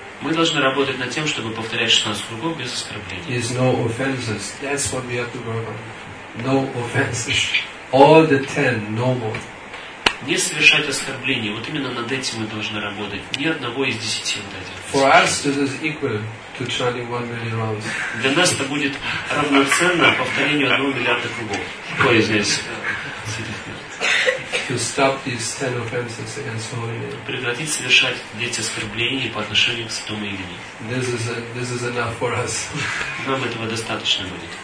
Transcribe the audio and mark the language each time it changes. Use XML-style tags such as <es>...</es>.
<ru>Мы должны работать над тем, чтобы повторять 16 кругов без оскорблений.</ru> <en>Is no offenses. That's what we have to work on. No offenses. All the 10, no more.</en> <ru>Не совершать оскорблений. Вот именно над этим мы должны работать. Ни одного из 10 вот этих.</ru> <en>For us, this is equal to chanting 1 million rounds.</en> <ru>Для нас это будет равноценно повторению 1 миллиарда кругов. Кто извиняется?</ru> <en>To stop these 10 offenses against Holy Name.</en> <ru>Прекратить совершать 10 оскорблений по отношению к Святому Имени.</ru> <en>This is enough for us.</en> <ru>Нам этого достаточно будет.</ru>